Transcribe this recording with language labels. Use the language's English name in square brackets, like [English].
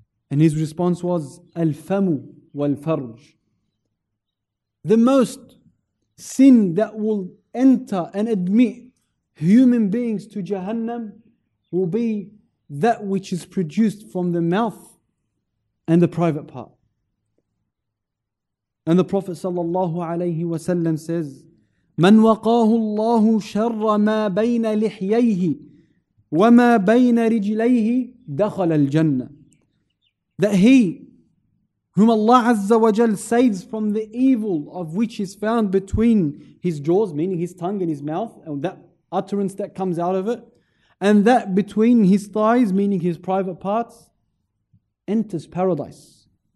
[English] And his response was, [Arabic] Al-famu wal-farj. [English] The most sin that will enter and admit human beings to Jahannam will be that which is produced from the mouth and the private part. And the Prophet sallallahu alayhi wasallam says, [Arabic] من وقاه الله شر ما بين لحييه وما بين رجليه دخل الجنة. [English] That he whom Allah Azza wa Jal saves from the evil of which is found between his jaws, meaning his tongue and his mouth, and that utterance that comes out of it, and that between his thighs, meaning his private parts, enters paradise.